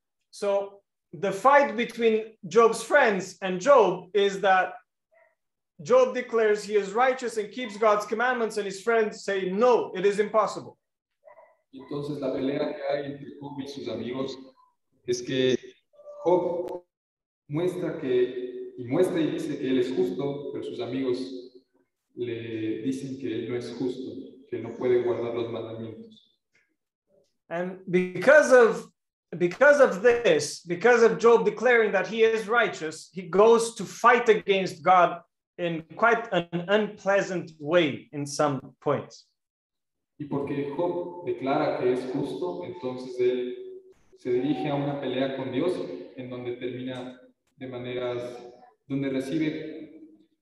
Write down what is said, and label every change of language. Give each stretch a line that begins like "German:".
English: So, the fight between Job's friends and Job is that Job declares he is righteous and keeps God's commandments, and his friends say, no, it is impossible.
Spanish: Entonces, la pelea que hay entre Job y sus amigos es que Job muestra que, y muestra y dice que él es justo, pero sus amigos le dicen que él no es justo. Que no puede guardar los mandamientos.
English: And because of this, because of Job declaring that he is righteous, he goes to fight against God in quite an unpleasant way in some points.
Spanish: Y porque Job declara que es justo, entonces él se dirige a una pelea con Dios en donde termina de maneras donde recibe